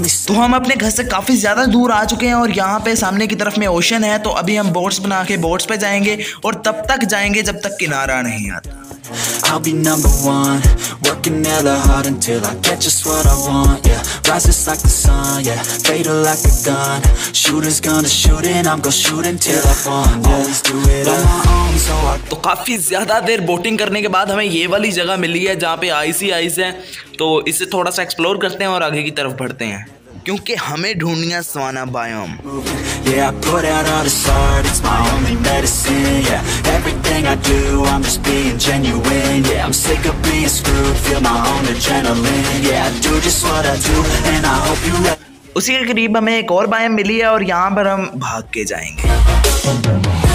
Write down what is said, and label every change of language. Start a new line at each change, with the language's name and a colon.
Hindi: तो हम अपने घर से काफी ज्यादा दूर आ चुके हैं और यहाँ पे सामने की तरफ में ओशन है, तो अभी हम बोट्स बना के बोट्स पे जाएंगे और तब तक जाएंगे जब तक किनारा नहीं आता।
English: I'll be number one, working hella hard until I get just what I want, yeah. Rises like the sun, yeah, fatal like a gun. Shooters gonna shoot and I'm gonna shoot until I fall, yeah. Always do it on my own, so I...
Hindi: तो काफी ज्यादा देर boating करने के बाद हमें ये वाली जगह मिली है जहाँ पे आइसी आइस है, तो इसे थोड़ा सा एक्सप्लोर करते हैं और आगे की तरफ बढ़ते हैं क्योंकि हमें ढूंढनिया savanna biome.
English: Yeah, I put out all this art, it's my only medicine. Yeah, everything I do, I'm just being genuine. Yeah, I'm sick of being screwed, feel my own adrenaline. Yeah, I do just what I do, and I hope you let...
Hindi: उसी के करीब हमें एक और biome मिली है और यहाँ पर हम भाग के जाएंगे।